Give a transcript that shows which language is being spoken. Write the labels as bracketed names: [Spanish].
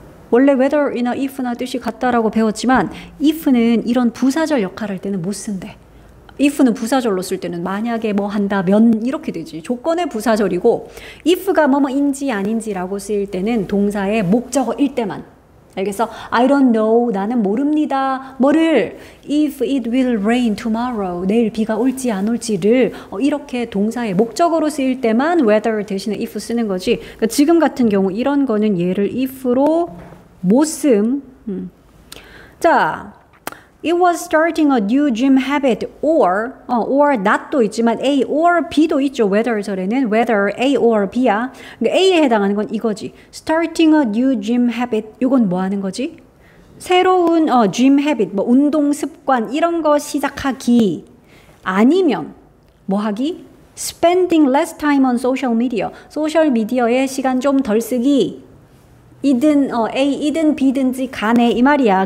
[Korean] 원래 whether이나 if나 뜻이 같다라고 배웠지만 if는 이런 부사절 역할할 때는 못 쓴대. if는 부사절로 쓸 때는 만약에 뭐 한다면 이렇게 되지. 조건의 부사절이고 if가 뭐뭐인지 아닌지라고 쓰일 때는 동사의 목적어일 때만. 알겠어? [English] I don't know. [Korean] 나는 모릅니다. 뭐를? [English] If it will rain tomorrow. [Korean] 내일 비가 올지 안 올지를. 이렇게 동사의 목적어로 쓰일 때만 whether 대신에 if 쓰는 거지. 그러니까 지금 같은 경우 이런 거는 얘를 if로 못 씀. [English] 자, It was starting a new gym habit or not도 [Korean] 있지만 [English] A or B도 있죠. [Korean] whether절에는 whether A or B야. 그러니까 A에 해당하는 건 이거지. [English] Starting a new gym habit. [Korean] 이건 뭐 하는 거지? 새로운 [English] gym habit, [Korean] 뭐 운동 습관 이런 거 시작하기. 아니면 뭐 하기? [English] Spending less time on social media. [Korean] 소셜미디어에 시간 좀 덜 쓰기. 이든 A이든 B든지 간에 이 말이야.